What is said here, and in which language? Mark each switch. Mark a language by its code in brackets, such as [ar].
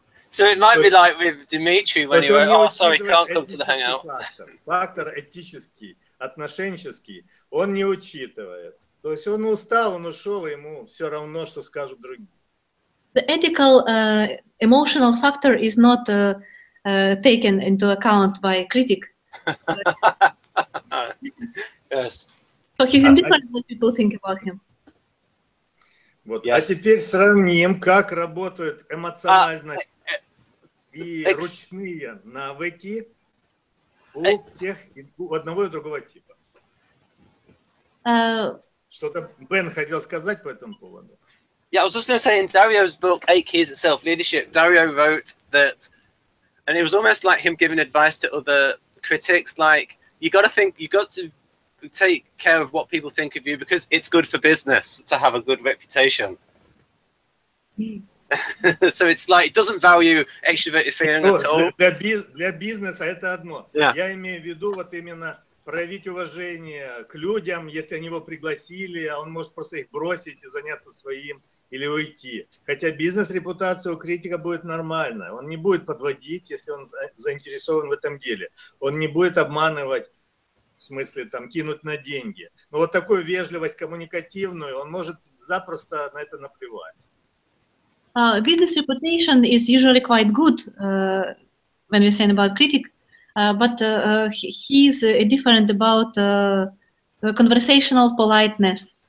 [en] So it might be like with Dimitri when he went, oh, sorry, can't come to the hangout. [ru] Фактор этический, отношенческий, он не учитывает. То есть он устал, он ушел, ему все равно, что скажут другие. [en] The ethical, emotional factor is not taken into account by a critic. Yes. So he's indifferent what people think about him. [ru] Вот. Yes. А теперь сравним, как работают эмоционально и ручные навыки у тех у одного и другого типа. Что-то Бен хотел сказать по этому поводу. [en] Yeah, I was just going to say in Dario's book Eight Keys of Self-Leadership, Dario wrote that, and it was almost like him giving advice to other critics, like you got to think, you got to take care of what people think of you because it's good for business to have a good reputation. So it's like it doesn't value extroverted feeling at all. [ru] Для бизнеса это одно. Yeah. Я имею в виду вот именно проявить уважение к людям, если они его пригласили, а он может просто их бросить и заняться своим или уйти. Хотя бизнес-репутация у критика будет нормальная. Он не будет подводить, если он заинтересован в этом деле. Он не будет обманывать, в смысле, там, кинуть на деньги. Но вот такую вежливость коммуникативную он может запросто на это наплевать. [en] Business reputation is usually quite good when we're saying about critic, but he is different about conversational politeness.